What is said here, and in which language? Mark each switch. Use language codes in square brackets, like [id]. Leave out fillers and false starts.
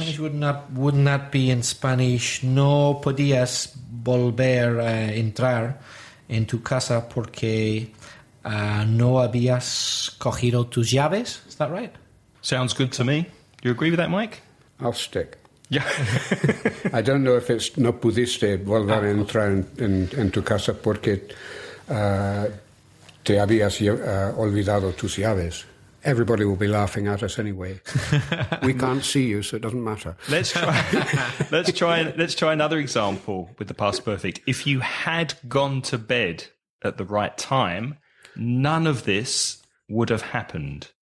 [en] Spanish wouldn't be in Spanish, [es] no podías volver a entrar en tu casa porque no habías cogido tus llaves. [en] Is that right? Sounds good to me. Do you agree with that, Mike? I'll stick. Yeah. I don't know if it's [es] no pudiste volver a entrar en tu casa porque te habías olvidado tus llaves. [en] Everybody will be laughing at us anyway. We can't see you, so it doesn't matter. Let's try another example with the past perfect. If you had gone to bed at the right time, none of this would have happened.